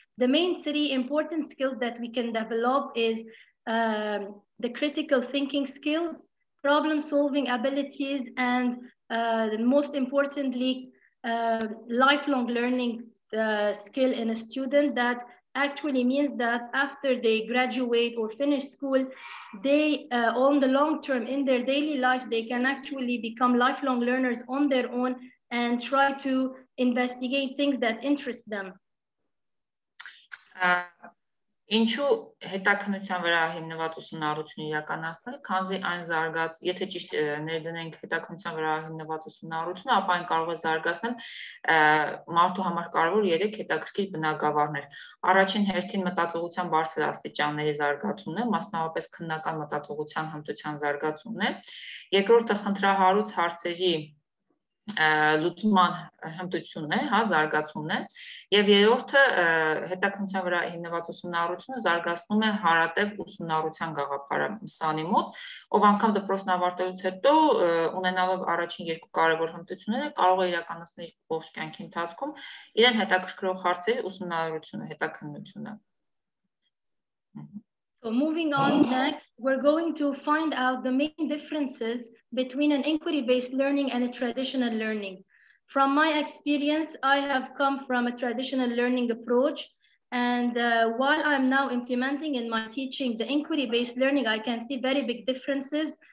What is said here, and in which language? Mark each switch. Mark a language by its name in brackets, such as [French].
[English] The main three important skills that we can develop is the critical thinking skills, problem-solving abilities, and most importantly, lifelong learning skill in a student that actually means that after they graduate or finish school, they on the long term in their daily lives, they can actually become lifelong learners on their own and try to investigate things that interest them. [Armenian] Ինչու հետաքննության վրա հիմնված ուսումնառությունը իրականացնել, քանզի այն զարգաց, եթե ճիշտ ներդնենք հետաքննության վրա հիմնված ուսումնառությունը, ապա այն կարող է զարգացնել մարդու համար կարևոր երեք հետաքրքիր բնագավառներ։ Առաջին հերթին մտածողության բարձր աստիճանների զարգացումն է, մասնավորապես քննական մտածողության հմտության զարգացումն է։ Երկրորդը խնդրահարուց հարցերի լուծման հմտությունն է, հա, զարգացումն է, եւ երրորդը հետաքննության վրա հիմնված ուսումնառությունը զարգացնում է հարատև ուսումնառության գաղափարը սանի մոտ, ով անգամ դպրոցն ավարտելուց հետո ունենալով առաջին երկու կարևոր հմտությունները կարող է իրականացնել իր ողջ կյանքի ընթացքում իրեն հետաքրքրող հարցերի ուսումնառությունը, հետաքննությունը։ [English] So moving on next, we're going to find out the main differences between an inquiry-based learning and a traditional learning. From my experience, I have come from a traditional learning approach. And while I'm now implementing in my teaching the inquiry-based learning, I can see very big differences.